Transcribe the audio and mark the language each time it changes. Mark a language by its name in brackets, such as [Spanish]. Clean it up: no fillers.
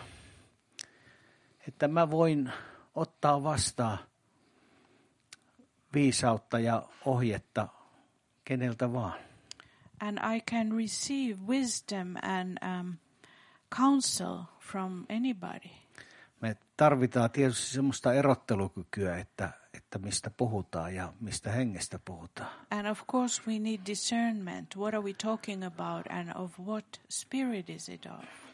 [Finnish] Ja se että mä voin ottaa vastaan viisautta ja ohjetta keneltä vaan. [English] And I can receive wisdom and counsel from anybody. [Finnish] Me tarvitaan tietysti semmoista erottelukykyä, että mistä puhutaan ja mistä hengestä puhutaan. [English] And of course we need discernment. What are we talking about and of what spirit is it of?